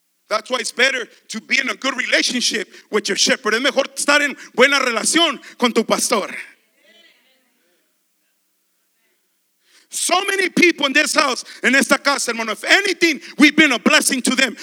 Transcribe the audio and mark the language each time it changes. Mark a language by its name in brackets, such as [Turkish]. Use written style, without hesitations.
[English] That's why it's better to be in a good relationship with your shepherd. [Spanish] Es mejor estar en buena relación con tu pastor. [English] So many people in this house, [Spanish] en esta casa, hermano, [English] if anything, we've been a blessing to them.